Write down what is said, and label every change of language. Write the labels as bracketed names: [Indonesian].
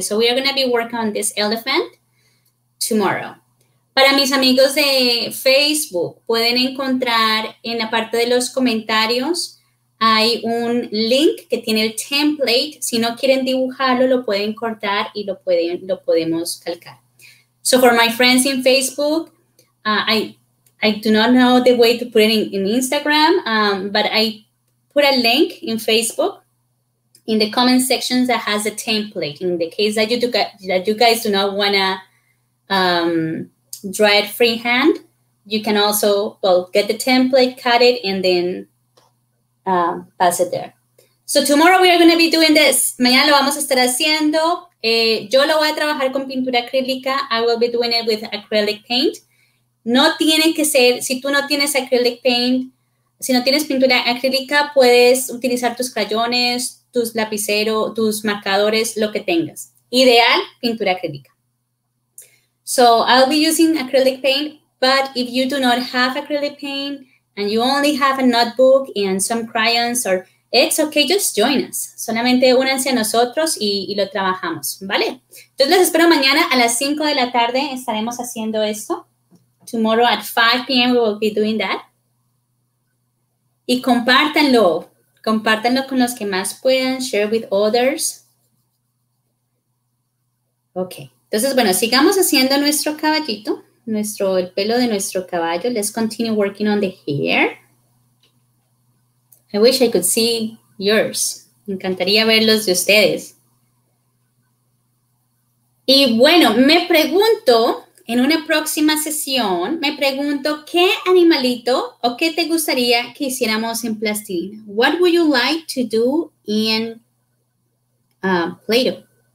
[English] So, we are going to be working on this elephant tomorrow. [Spanish] Para mis amigos de Facebook, pueden encontrar en la parte de los comentarios hay un link que tiene el template. Si no quieren dibujarlo, lo pueden cortar y lo podemos calcar. [English] So, for my friends in Facebook, I do not know the way to put it in Instagram, but I put a link in Facebook in the comment sections that has a template. In the case that you guys do not want to draw it freehand, you can also, well, get the template, cut it, and then pass it there. So tomorrow we are going to be doing this. [Spanish] Mañana lo vamos a estar haciendo. Yo lo voy a trabajar con pintura acrílica. [English] I will be doing it with acrylic paint. [Spanish] No tiene que ser, si tú no tienes acrylic paint, si no tienes pintura acrílica, puedes utilizar tus crayones, tus lapiceros, tus marcadores, lo que tengas. Ideal, pintura acrílica. [English] So I'll be using acrylic paint, but if you do not have acrylic paint, and you only have a notebook and some crayons, or it's okay, just join us. [Spanish] Solamente únanse a nosotros y lo trabajamos, ¿vale? Entonces, les espero mañana a las 5 de la tarde. Estaremos haciendo esto. [English] Tomorrow at 5 p.m. we will be doing that. [Spanish] Y compártanlo. Compártanlo con los que más puedan. [English] Share with others. [Spanish] Ok. Entonces, bueno, sigamos haciendo nuestro caballito. El pelo de nuestro caballo. [English] Let's continue working on the hair. I wish I could see yours. [Spanish] Me encantaría verlos de ustedes. Y bueno, me pregunto, en una próxima sesión, me pregunto, ¿qué animalito o qué te gustaría que hiciéramos en plastilina? [English] What would you like to do in Play-Doh?